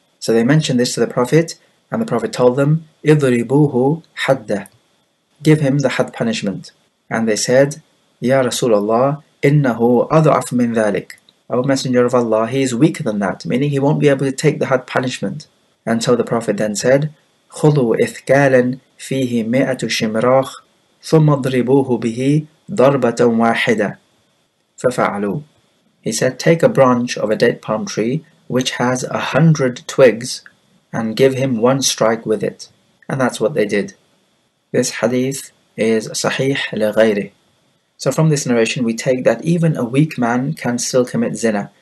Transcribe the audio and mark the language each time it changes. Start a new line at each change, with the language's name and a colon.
English: So they mentioned this to the Prophet and the Prophet told them, idribuhu hadda, give him the had punishment. And they said, Ya Rasulullah,
Arabic: إِنَّهُ أَضْعَفُ مِنْ ذَلِكَ.
English: O Messenger of Allah, he is weaker than that, meaning he won't be able to take the had punishment. And so the Prophet then said,
Arabic: خُذُوا إِثْكَالًا فِيهِ مِئَةُ شِمْرَاخٍ ثُمَّ اضْرِبُوهُ بِهِ ضَرْبَةً وَاحِدَةً فَفَعَلُوا.
English: He said, take a branch of a date palm tree which has 100 twigs and give him one strike with it. And that's what they did. This hadith is صحيح لغيره. So from this narration, we take that even a weak man can still commit zina.